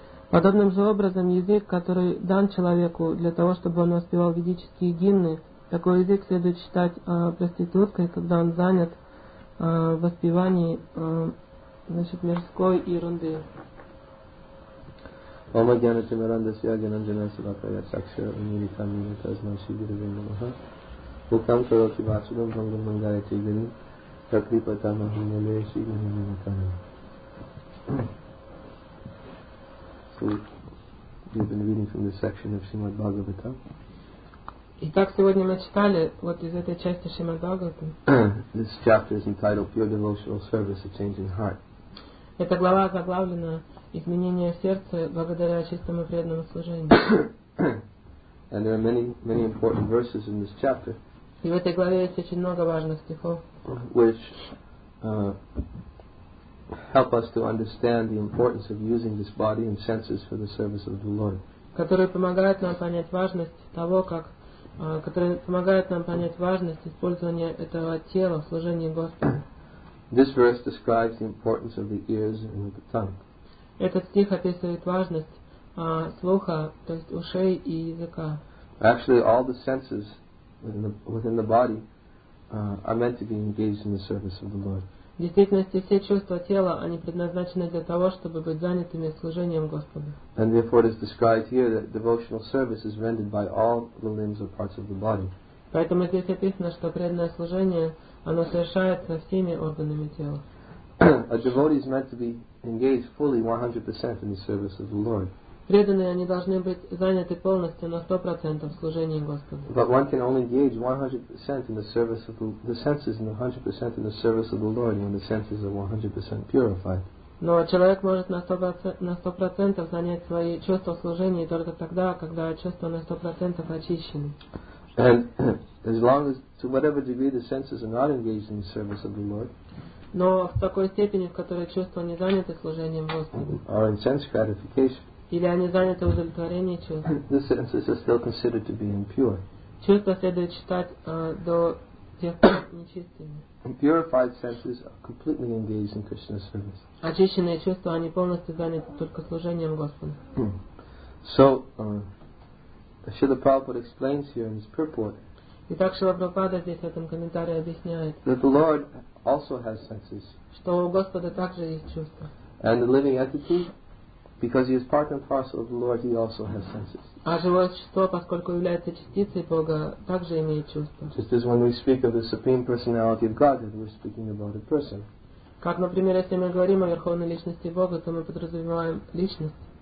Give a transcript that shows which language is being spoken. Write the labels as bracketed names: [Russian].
[Russian] Подобным же образом язык, который дан человеку для того, чтобы он воспевал ведические гимны, такой язык следует считать проституткой, когда он занят воспевании значит, мирской ерунды. Ома гьяна чимаранда сия гьянан джана сабакая сакша умири там мини тазна шибира гьяна маха Бухам каро ки басудам хангам мангая чай гьяни Шакри пата махи мале ши гьяни мина тана. [English] So, we've been reading from this section of Srimad Bhagavatam. [Russian] Итак, сегодня мы читали вот из этой части Шримад-Бхагаватам. [English] This chapter is entitled Pure Devotional Service, a Changing Heart. [Russian] Эта глава заглавлена «Изменение сердца благодаря чистому преданному служению». [English] And there are many, many important verses in this chapter. [Russian] И в этой главе есть очень много важных стихов, [English] which help us to understand the importance of using this body and senses for the service of the Lord. [Russian] Которые помогают нам понять важность того, как которые помогают нам понять важность использования этого тела в служении Господу. [English] This verse describes the importance of the ears and the tongue. [Russian] Этот стих описывает важность слуха, то есть ушей и языка. [English] Actually, all the senses within the body are meant to be engaged in the service of the Lord. [Russian] В действительности, все чувства тела, они предназначены для того, чтобы быть занятыми служением Господу. [English] And therefore, it is described here that devotional service is rendered by all the limbs or parts of the body. [Russian] Поэтому здесь описано, что преданное служение, оно совершается всеми органами тела. [English] A devotee is meant to be engaged fully 100% in the service of the Lord. [Russian] Преданные, они должны быть заняты полностью на 100% служением Господу. [English] But one can only engage 100% in the service of the senses and 100% in the service of the Lord when the senses are 100% purified. [Russian] Но человек может на 100% занять свои чувства служения только тогда, когда чувства на 100% очищены. [English] And as long as, to whatever degree the senses are not engaged in the service of the Lord, [Russian] но в такой степени, в которой чувства не заняты служением Господу, [English] or in sense gratification, [Russian] или они заняты удовлетворением чувств, [English] the senses are still considered to be impure. [Russian] Чувства следует считать до тех пор нечистыми. [English] And purified senses are completely engaged in Krishna's service. [Russian] Очищенные чувства, они полностью заняты только служением Господу. [English] So, Srila Prabhupada explains here in his purport. [Russian] Итак, Шрила Прабхупада здесь в этом комментарии объясняет, [English] that the Lord also has senses. [Russian] Что у Господа также есть чувства. [English] And the living entity, because he is part and parcel of the Lord, he also has senses. [Russian] А живое существо, поскольку является частицей Бога, также имеет чувства. [English] Just as when we speak of the Supreme Personality of Godhead, we're speaking about a person. [Russian] Как, например, если мы говорим о Верховной Личности Бога, то мы подразумеваем личность.